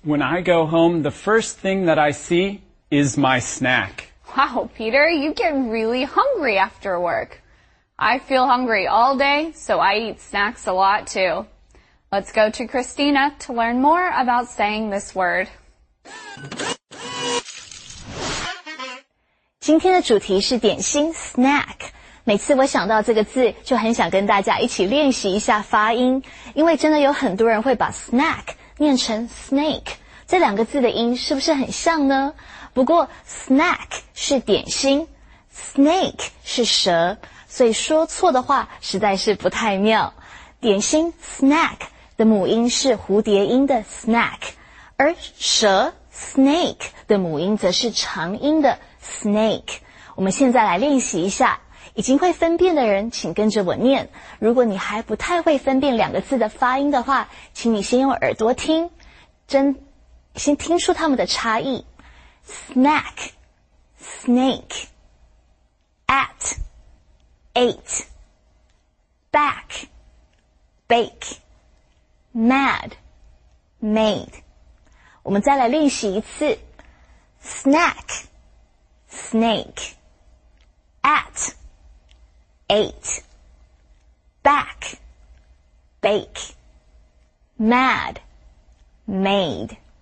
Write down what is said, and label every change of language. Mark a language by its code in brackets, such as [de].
[en] When I go home, the first thing that I see is my snack. Wow, Peter, you get really hungry after work. I feel hungry all day, so I eat snacks a lot too. Let's go to Christina to learn more about saying this word. [zh] 今天的主题是点心 snack。每次我想到这个字，就很想跟大家一起练习一下发音，因为真的有很多人会把 snack 念成 snake。这两个字的音是不是很像呢？不过 snack 是点心 ，snake 是蛇，所以说错的话实在是不太妙。点心 snack 的母音是蝴蝶音的 snack， 而蛇 snake 的母音则是长音的。 snake. 我们现在来练习一下。已经会分辨的人请跟着我念。如果你还不太会分辨两个字的发音的话，请你先用耳朵听，先听出它们的差异。 [en] Snack, snake, at, ate, back, bake, mad, made. [zh] 我们再来练习一次。 [en] Snack, snake, at, ate, back, bake, mad, made.